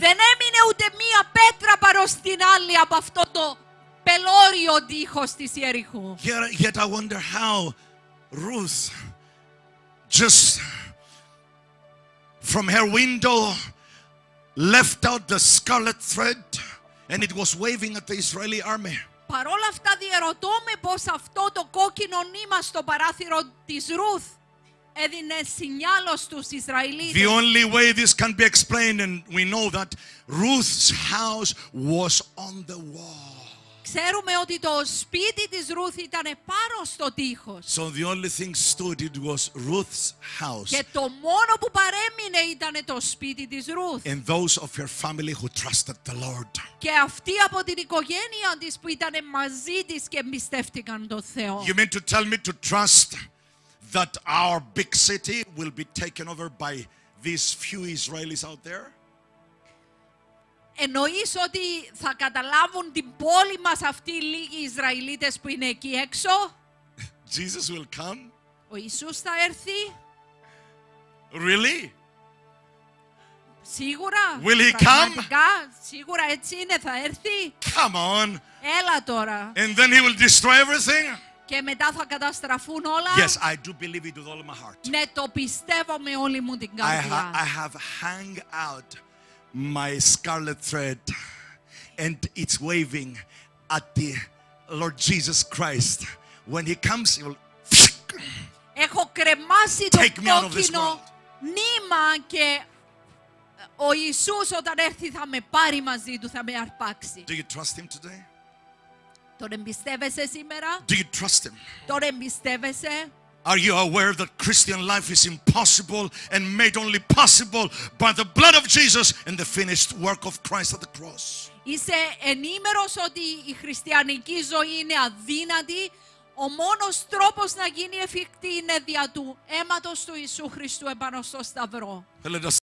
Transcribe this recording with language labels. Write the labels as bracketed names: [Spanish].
[Greek] Δεν έμεινε ούτε μία πέτρα παρό στην άλλη από αυτό το πελώριο τείχος της Ιεριχού. [English] Yet I wonder how Ruth, just from her window, left out the scarlet thread and it was waving at the Israeli army. [Greek] Παρόλα αυτά διερωτώ με πως αυτό το κόκκινο νήμα στο παράθυρο της Ruth έδινε σινιάλο στους Ισραηλίτες. [English] The only way this can be explained, and we know that Ruth's house was on the wall. [Greek] Ξέρουμε ότι το σπίτι της Ruth ήταν πάνω στο τείχος. [English] So the only thing stood, it was Ruth's house. [Greek] Και το μόνο που παρέμεινε ήταν το σπίτι της Ruth. [English] And those of her family who trusted the Lord. [Greek] Και αυτοί από την οικογένεια της που ήταν μαζί της και εμπιστεύτηκαν τον Θεό. [English] You mean to tell me to trust that our big city will be taken over by these few Israelis out there? [Greek] εννοείς ότι θα καταλάβουν την πόλη μας αυτοί οι λίγοι Ισραηλίτες που είναι εκεί έξω? [English] Jesus will come. [Greek] Ο Ιησούς θα έρθει. [English] Really? [Greek] Σίγουρα. [English] Will he [Greek] πραγματικά, [English] come? [Greek] Σίγουρα έτσι είναι, θα έρθει. [English] Come on. [Greek] Έλα τώρα. [English] And then he will destroy everything. [Greek] Και μετά θα καταστραφούν όλα. [English] Yes, I do believe it with all my heart. [Greek] Ναι, το πιστεύω με όλη μου την καρδιά. [English] I have hung out my scarlet thread and it's waving at the Lord Jesus Christ. When he comes, he will. [Greek] Έχω κρεμάσει το κόκκινο νήμα και ο Ιησούς όταν έρθει θα με πάρει μαζί του, θα με αρπάξει. [English] Do you trust him today? [Greek] Τον εμπιστεύεσαι σήμερα? [English] Do you trust him? [Greek] Τον εμπιστεύεσαι? [English] Are you aware that Christian life is impossible and made only possible by the blood of Jesus and the finished work of Christ at the cross? [Greek] Είσαι ενήμερος ότι η χριστιανική ζωή είναι αδύνατη? Ο μόνος τρόπος να γίνει εφικτή είναι δια του αίματος του Ιησού Χριστού επάνω στο Σταυρό.